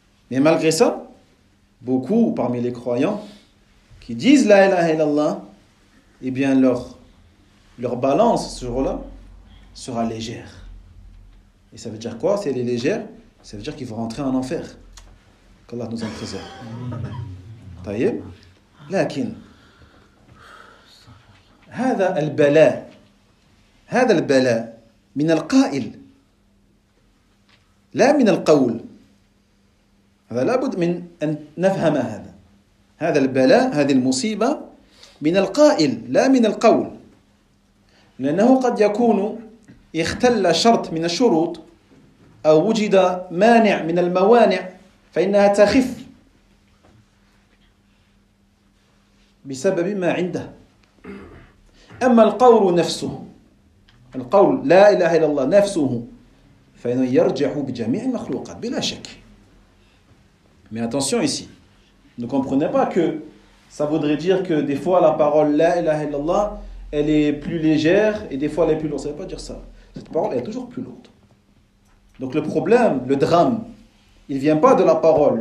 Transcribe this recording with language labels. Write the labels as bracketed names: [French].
[French] Mais malgré ça, beaucoup parmi les croyants qui disent La ilaha illallah, eh bien leur balance ce jour-là sera légère. Et ça veut dire quoi? Si elle est légère, ça veut dire qu'ils vont rentrer en enfer. Qu'Allah nous en préserve. [Arabic] طيب لكن هذا البلاء هذا البلاء من القائل لا من القول هذا لابد من أن نفهم هذا البلاء هذه المصيبة من القائل لا من القول لأنه قد يكون اختل شرط من الشروط أو وجد مانع من الموانع فإنها تخف بسبب ما عنده أما القول نفسه القول لا إله إلا الله نفسه فإنه يرجع بجميع المخلوقات بلا شك. [French] Mais attention ici, ne comprenez pas que ça voudrait dire que des fois la parole la ilaha illallah elle est plus légère et des fois elle est plus lourde. Ça ne veut pas dire ça. Cette parole est toujours plus lourde. Donc le problème, le drame, il ne vient pas de la parole.